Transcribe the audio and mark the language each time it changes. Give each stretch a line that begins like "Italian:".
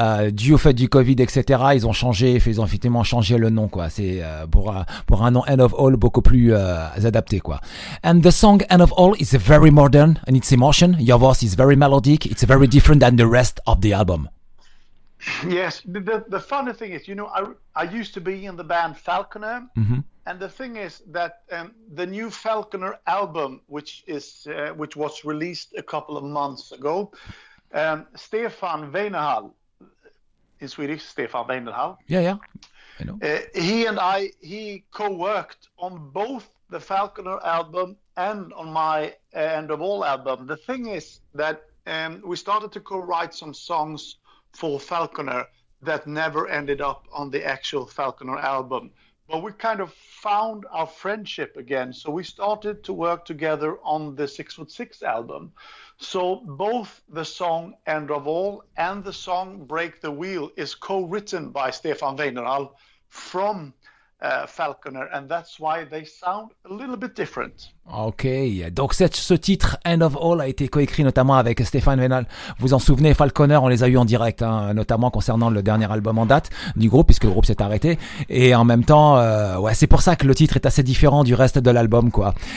French: Dû au fait du Covid, etc., ils ont changé, ils ont effectivement changé le nom, quoi. C'est pour un nom End of All beaucoup plus adapté, quoi.
English: And the song End of All is very modern and it's emotion. Your voice is very melodic. It's very different than the rest of the album. Yes, the funny thing is, you know, I used to be in the band Falconer. Mm-hmm. And the thing is that the new Falconer album, which was released a couple of months ago, Stefan Weinehall, in Swedish, Stefan Weinehall. Yeah, yeah, I know. He co-worked on both the Falconer album and on my End of All album. The thing is that we started to co-write some songs for Falconer that never ended up on the actual Falconer album. But we kind of found our friendship again. So we started to work together on the 6 Foot Six album. So both the song End of All and the song Break the Wheel is co-written by Stefan Weinehall from Falconer, and that's why they sound a little bit different.
French: Okay, donc ce titre End of All a été coécrit notamment avec Stefan Weinehall. Vous en souvenez, Falconer, on les a eu en direct, hein, notamment concernant le dernier album en date du groupe, puisque le groupe s'est arrêté. Et en même temps, ouais, c'est pour ça que le titre est assez différent du reste de l'album, quoi.